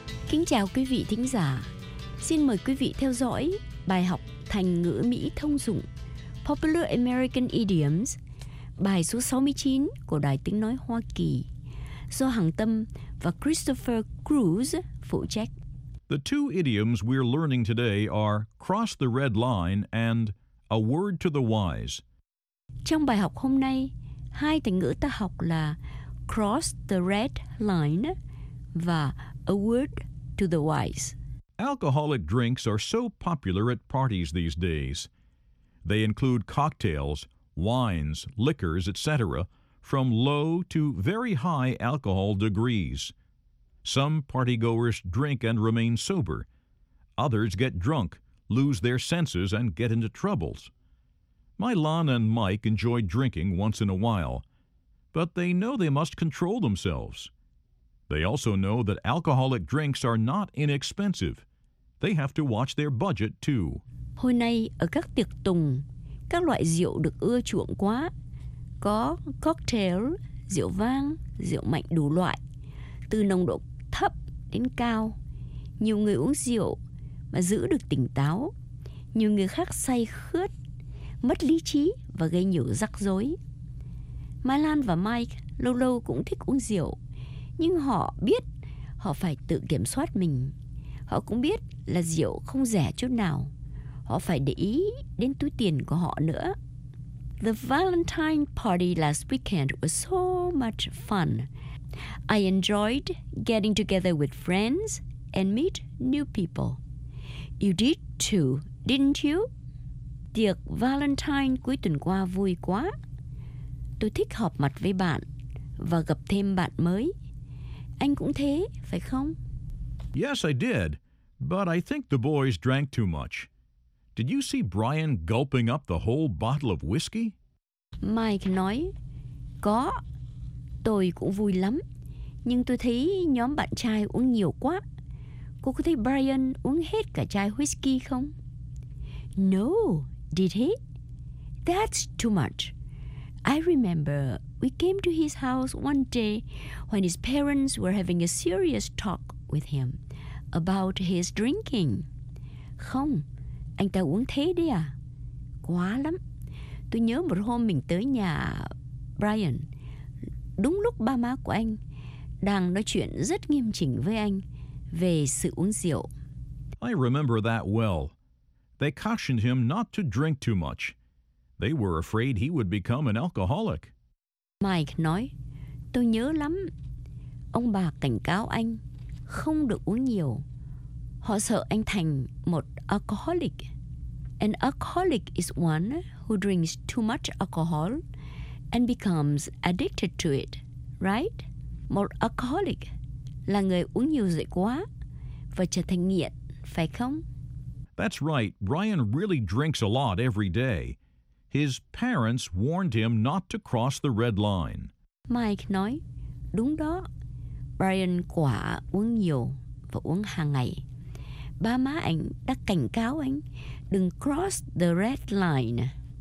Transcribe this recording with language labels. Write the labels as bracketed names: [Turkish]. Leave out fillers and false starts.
[Vietnamese] Kính chào quý vị thính giả. Xin mời quý vị theo dõi bài học thành ngữ Mỹ thông dụng Popular American Idioms, bài số 69 của Đài Tiếng Nói Hoa Kỳ, do Hằng Tâm và Christopher Cruz phụ trách. [English] The two idioms we're learning today are cross the red line and a word to the wise. [Vietnamese] Trong bài học hôm nay, hai thành ngữ ta học là cross the red line và a word to the wise. [English] Alcoholic drinks are so popular at parties these days. They include cocktails, wines, liquors, etc., from low to very high alcohol degrees. Some partygoers drink and remain sober. Others get drunk, lose their senses, and get into troubles. My Lon and Mike enjoy drinking once in a while, but they know they must control themselves. They also know that alcoholic drinks are not inexpensive. They have to watch their budget, too. [Vietnamese] Hôm nay, ở các tiệc tùng, các loại rượu được ưa chuộng quá. Có cocktail, rượu vang, rượu mạnh đủ loại, từ nồng độ thấp đến cao. Nhiều người uống rượu mà giữ được tỉnh táo. Nhiều người khác say khướt, mất lý trí và gây nhiều rắc rối. Mai Lan và Mike lâu lâu cũng thích uống rượu, nhưng họ biết họ phải tự kiểm soát mình. Họ cũng biết là rượu không rẻ chút nào. Họ phải để ý đến túi tiền của họ nữa. [English] The Valentine party last weekend was so much fun. I enjoyed getting together with friends and meet new people. You did too, didn't you? [Vietnamese] Tiệc Valentine cuối tuần qua vui quá. Tôi thích họp mặt với bạn và gặp thêm bạn mới. Anh cũng thế, phải không? [English] Yes, I did. But I think the boys drank too much. Did you see Brian gulping up the whole bottle of whiskey? [Vietnamese] Mike nói, có, tôi cũng vui lắm. Nhưng tôi thấy nhóm bạn trai uống nhiều quá. Cô có thấy Brian uống hết cả chai whiskey không? [English] No, did he? That's too much. I remember we came to his house one day when his parents were having a serious talk with him about his drinking. [Vietnamese] Không. Anh ta uống thế đấy à? Quá lắm. Tôi nhớ một hôm mình tới nhà Brian, đúng lúc ba má của anh đang nói chuyện rất nghiêm chỉnh với anh về sự uống rượu. [English] I remember that well. They cautioned him not to drink too much. They were afraid he would become an alcoholic. [Vietnamese] Mike nói, tôi nhớ lắm. Ông bà cảnh cáo anh không được uống nhiều. Họ sợ anh thành một alcoholic. [English] An alcoholic is one who drinks too much alcohol and becomes addicted to it, right? [Vietnamese] Một alcoholic là người uống nhiều rượu quá và trở thành nghiện, phải không? [English] That's right. Brian really drinks a lot every day. His parents warned him not to cross the red line. [Vietnamese] Mike nói, đúng đó. Brian quả uống nhiều và uống hàng ngày. Ba má anh đã cảnh cáo anh đừng cross the red line.